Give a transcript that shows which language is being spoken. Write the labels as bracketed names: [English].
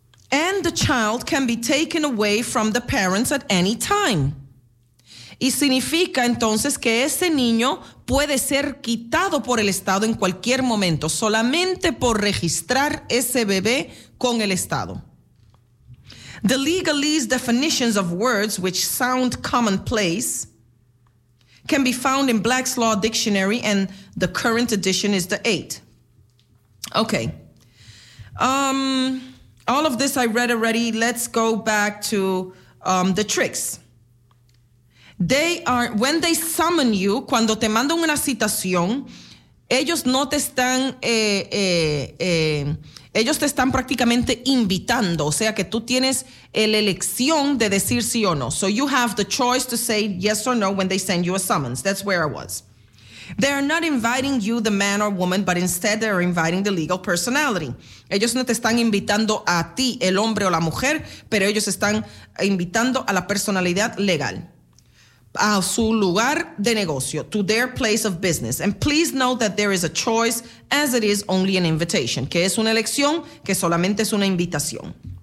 [English] And the child can be taken away from the parents at any time. [Spanish] Y significa entonces que ese niño puede ser quitado por el estado en cualquier momento, solamente por registrar ese bebé con el estado. [English] The legalese definitions of words which sound commonplace can be found in Black's Law Dictionary, and the current edition is the 8. Okay. All of this I read already. Let's go back to the tricks. When they summon you, [Spanish] cuando te mandan una citación, ellos te están prácticamente invitando, o sea que tú tienes la elección de decir sí o no. [English] So you have the choice to say yes or no when they send you a summons. That's where I was. They are not inviting you, the man or woman, but instead they are inviting the legal personality. [Spanish] Ellos no te están invitando a ti, el hombre o la mujer, pero ellos están invitando a la personalidad legal, a su lugar de negocio, [English] to their place of business. And please note that there is a choice, as it is only an invitation. [Spanish] Que es una elección, que solamente es una invitación.